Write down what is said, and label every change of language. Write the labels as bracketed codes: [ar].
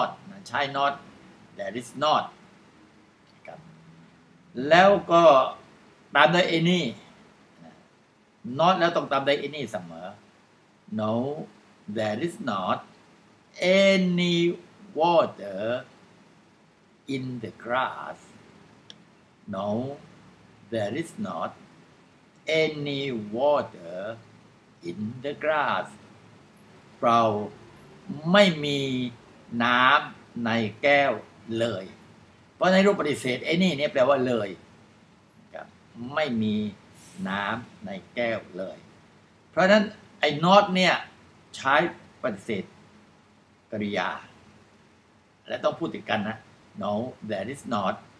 [th] นะใช่ [en] not there is not [th] แล้วก็ตามด้วย [en] any not [th] แล้วต้องตามด้วย [en] any [th] เสมอ [en] No, there is not any water in the grass. No, there is not any water in the grass. [th] เราไม่มีน้ำในแก้วเลยเพราะในรูปปฏิเสธ any นี่แปลว่าเลยไม่มีน้ำในแก้วเลยเพราะนั้นไอ้ not เนี่ยใช้ปฏิเสธกริยาและต้องพูดติดกันนะ [en] No, there is not